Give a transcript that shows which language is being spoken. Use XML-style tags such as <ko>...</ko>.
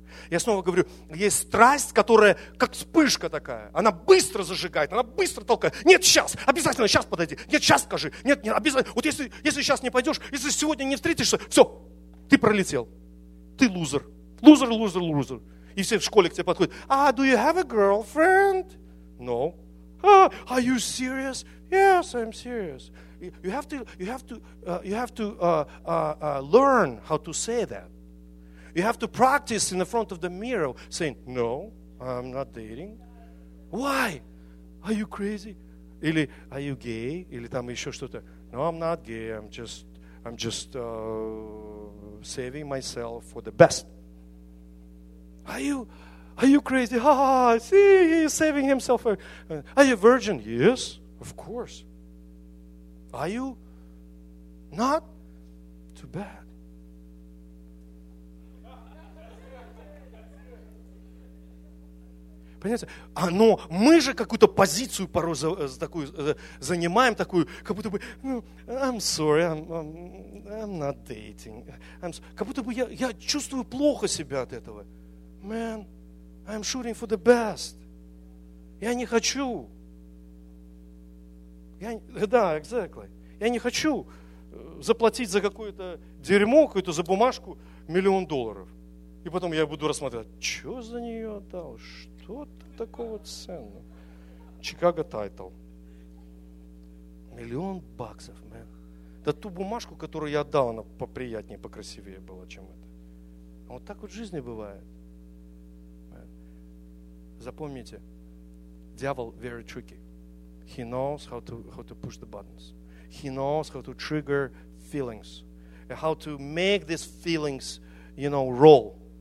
<ru>Я снова говорю, есть страсть, которая как вспышка такая, она быстро зажигает, она быстро толкает. Нет, сейчас, обязательно сейчас подойди. Нет, сейчас скажи. Нет, обязательно. Вот если сейчас не пойдешь, если сегодня не встретишься, все, ты пролетел. Ты лузер. Лузер, лузер, лузер. И все в школе к тебе подходят.</ru> <en>Do you have a girlfriend? No. Are you serious? Yes, I'm serious. You have to learn how to say that. You have to practice in the front of the mirror saying, no, I'm not dating. Why? Are you crazy?</en> <ru>Или,</ru> <en>are you gay?</en> <ru>Или там еще что-то.</ru> <en>No, I'm not gay. I'm just saving myself for the best. Are you crazy? Ha ha ha. See, he's saving himself. Are you a virgin? Yes, of course. Are you not? Too bad.</en> <ru>Понимаете? Но мы же какую-то позицию порой такую, занимаем, такую, как будто бы,</ru> <en>I'm sorry, I'm not dating.</en> <ru>Как будто бы я чувствую плохо себя от этого.</ru> <en>Man, I'm shooting for the best.</en> <ru>Я не хочу. Я не хочу заплатить за какое-то дерьмо, какую-то за бумажку $1,000,000. И потом я буду рассматривать, что за нее отдал, что такого ценного. Чикаго тайтл. $1,000,000,</ru> <en>man.</en> <ru>Да ту бумажку, которую я отдал, она поприятнее, покрасивее была, чем это. Вот так вот в жизни бывает.</ru> <en>Man.</en> <ru>Запомните, дьявол</ru> <en>very tricky. He knows how to push the buttons. He knows how to trigger feelings. How to make these feelings, you know, roll.</en>